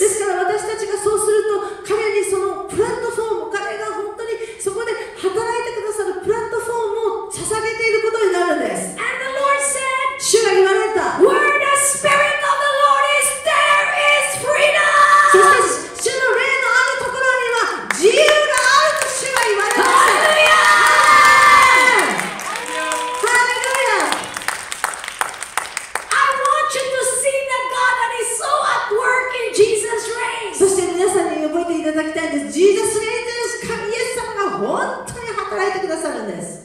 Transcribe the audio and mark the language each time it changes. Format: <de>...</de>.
<ja>ですから私たちがそうすると彼にそのプラットフォーム、彼が本当にそこで働いてくださるプラットフォームを捧げていることになるんです。</ja> <en>And the Lord said,</en> <ja>主が言われた。</ja> <en>Where the spirit of the Lord is, there is freedom。</en> <ja>そして主の霊の自由があると主は言われました。ハレルヤ。ハレルヤ。</ja> <en>I want you to see the God that is so at work in Jesus' reign。</en> <ja>そして皆さんに覚えていただきたいんです。ジーザス・レイです。神イエス様が本当に働いてくださるんです。</ja>